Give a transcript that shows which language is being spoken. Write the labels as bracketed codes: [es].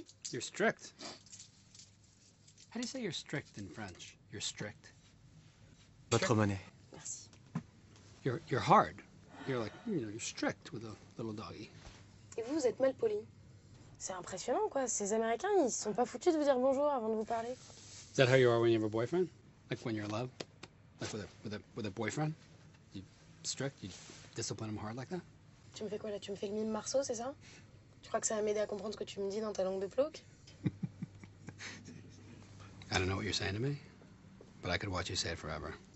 [en] You're strict. How do you say you're strict in French? You're strict. [fr] Votre monnaie. Merci. [en] You're hard. You're like, you know, you're strict with a little doggy. [fr] Et vous êtes mal poli. C'est impressionnant, quoi. Ces Américains, ils sont pas foutus de vous dire bonjour avant de vous parler. [en] Is that how you are when you have a boyfriend? Like when you're in love? Like with a boyfriend? You strict? You discipline him hard like that? [fr] Tu me fais quoi là? Tu me fais le mime Marceau, c'est ça? Tu crois que ça va m'aider à comprendre ce que tu me dis dans ta langue de plouc? [en] I don't know what you're saying to me, but I could watch you say it forever.